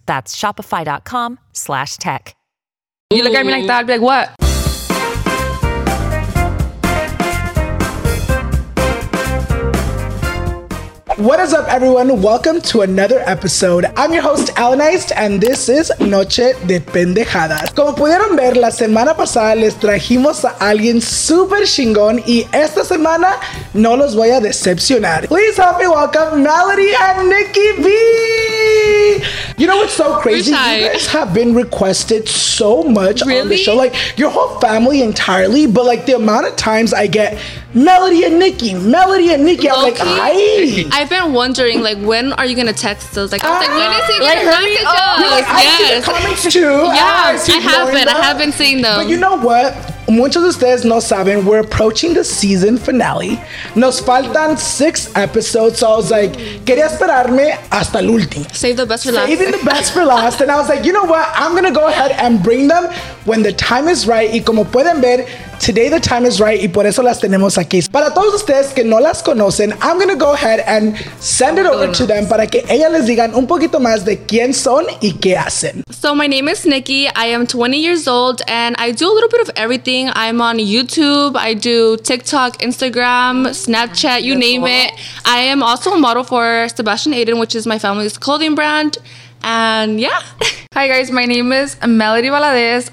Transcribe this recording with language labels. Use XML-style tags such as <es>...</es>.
<en>That's shopify.com/tech. You look at me like that, I'd be like, what? What is up, everyone? Welcome to another episode. I'm your host, Alan Aist, and this is Noche de Pendejadas.</en> <es>Como pudieron ver, la semana pasada les trajimos a alguien super chingón, y esta semana no los voy a decepcionar.</es> <en>Please help me welcome Melody and Nikki B. You know what's so crazy? You guys have been requested so much on the show. Like, your whole family entirely, but like the amount of times I get Melody and Nikki, Melody and Nikki, I'm like, hi. I've been wondering, like, when are you gonna text us? Like, I was like, when is he like, gonna message us? Like, yes. I see your comments too. Yeah, I haven't seen them. But you know what?</en> <es>Muchos de ustedes no saben,</es> <en>we're approaching the season finale.</en> <es>Nos faltan 6</es> <en>episodes, so I was like,</en> <es>quería esperarme hasta el último.</es> <en>Save the best for last. Saving the best for last. And I was like, you know what? I'm gonna go ahead and bring them when the time is right.</en> <es>Y como pueden ver,</es> <en>today the time is right,</en> <es>y por eso las tenemos aquí. Para todos ustedes que no las conocen,</es> <en>I'm gonna go ahead and send it over to them</en> <es>para que ellas les digan un poquito más de quién son y qué hacen.</es> <en>So my name is Nikki. I am 20 years old and I do a little bit of everything. I'm on YouTube, I do TikTok, Instagram, Snapchat, you name it. I am also a model for Sebastian Aiden, which is my family's clothing brand. And yeah. Hi guys, my name is Melody Valadez.</en>